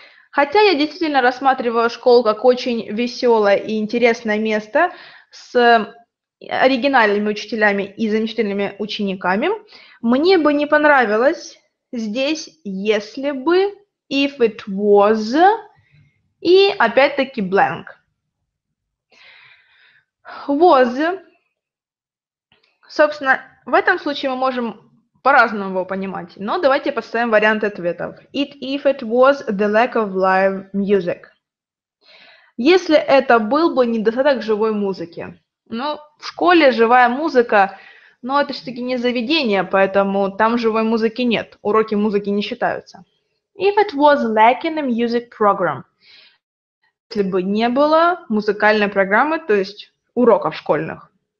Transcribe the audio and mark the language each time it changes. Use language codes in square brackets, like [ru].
[ru] Хотя я действительно рассматриваю школу как очень веселое и интересное место с оригинальными учителями и замечательными учениками, мне бы не понравилось здесь, если бы, [en] if it was, [ru] и опять-таки blank. Was, собственно, в этом случае мы можем по-разному его понимать, но давайте поставим вариант ответов. [en] It, if it was the lack of live music. [ru] Если это был бы недостаток живой музыки. Ну, в школе живая музыка, но это все-таки не заведение, поэтому там живой музыки нет, уроки музыки не считаются. [en] If it was lacking a music program. [ru] Если бы не было музыкальной программы, то есть уроков школьных.